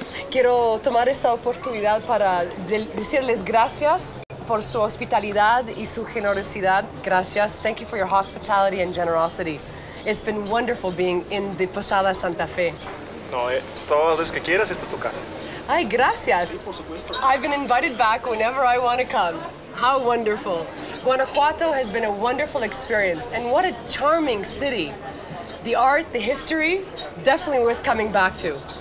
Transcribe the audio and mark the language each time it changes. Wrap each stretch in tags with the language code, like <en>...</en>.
<es>Quiero tomar esta oportunidad para decirles gracias por su hospitalidad y su generosidad. Gracias.</es> <en>Thank you for your hospitality and generosity. It's been wonderful being in the Posada Santa Fe.</en> <es>No, todas las veces que quieras, esta es tu casa. Ay, gracias. Sí, por supuesto.</es> <en>I've been invited back whenever I want to come. How wonderful. Guanajuato has been a wonderful experience, and what a charming city. The art, the history, definitely worth coming back to.</en>